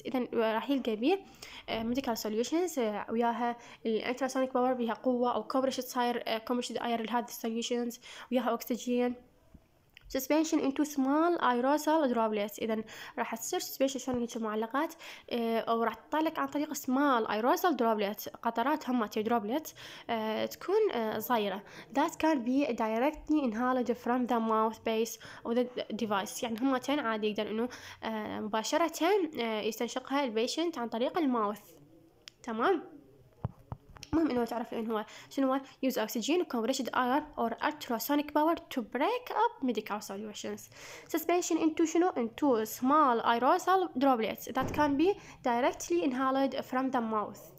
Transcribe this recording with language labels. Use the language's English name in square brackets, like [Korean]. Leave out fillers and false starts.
[Arabic] اذا راح يلقى بيه ميديكال سوليوشنز وياها التراسونيك باور بها قوه او كومبريشد اير، كومبريشد اير لهذا السوليوشنز وياها اكسجين. [English] Suspension into small aerosol droplets. [Arabic] إذا راح تصير suspension شلون هيك معلقات أو راح تطلق عن طريق [English] small aerosol droplets [Arabic] قطرات هم تي droplets تكون صغيرة. [English] That can be directly inhaled from the mouth base of the device. [Arabic] يعني هم تين عادي يقدر إنه مباشرة يستنشقها البيشنت عن طريق الماوث. تمام؟ مهم انه تعرف ان هو شنو [English] Use oxygen compressed air or ultrasonic power to break up medical solutions. Suspension into [Arabic] شنو [English] Into small aerosol droplets that can be directly inhaled from the mouth.